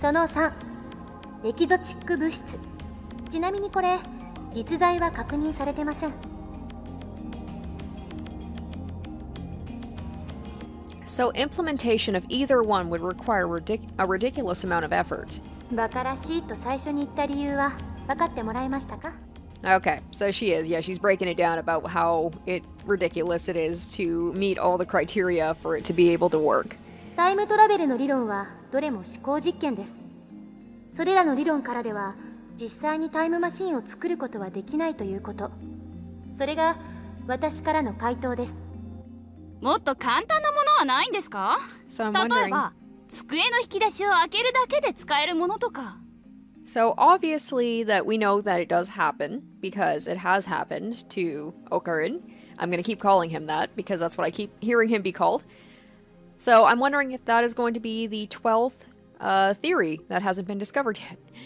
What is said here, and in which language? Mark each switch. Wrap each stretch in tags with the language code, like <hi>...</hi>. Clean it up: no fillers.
<ja>その3、エキゾチック物質。ちなみにこれ、実在は確認されてません。</ja> <en>So implementation of either one would require a ridiculous amount of effort.</en> <ja>バカらしいと最初に言った理由は分かってもらえましたか？</ja> <en>Okay, so she is. Yeah, she's breaking it down about how it's ridiculous it is to meet all the criteria for it to be able to work.</en> <ja>タイムトラベルの理論はどれも思考実験です。それらの理論からでは実際にタイムマシンを作ることはできないということ。それが私からの回答です。もっと簡単なものはないんですか？</ja> <en>So I'm wondering.</en> <ja>例えば、机の引き出しを開けるだけで使えるものとか。</ja> <en>So obviously that we know that it does happen, because it has happened to Okarin. I'm going to keep calling him that, because that's what I keep hearing him be called. So I'm wondering if that is going to be the 12th, theory that hasn't been discovered yet.</en>